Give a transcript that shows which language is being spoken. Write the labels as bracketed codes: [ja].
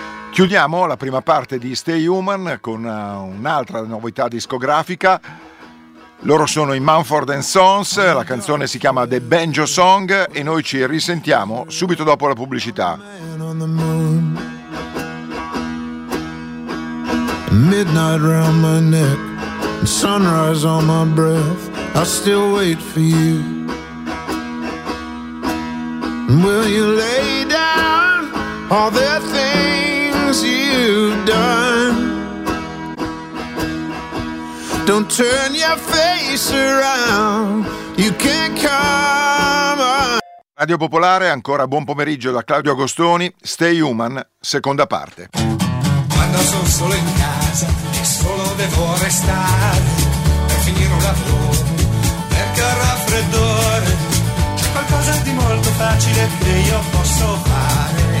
[it] Chiudiamo la prima parte di Stay Human con un'altra novità discografica. Loro sono i Mumford & Sons, la canzone si chiama The Banjo Song e noi ci risentiamo subito dopo la pubblicità. [en] Midnight round my neck, sunrise on my breath, I still wait for you. Will you lay down all the things you've done? Don't turn your face around, you can't come on. [it] Radio Popolare, ancora buon pomeriggio da Claudio Agostoni, Stay Human, seconda parte. Quando sono solo in casa e solo devo restare per finire un lavoro, perché ho raffreddore, c'è qualcosa di molto facile che io posso fare.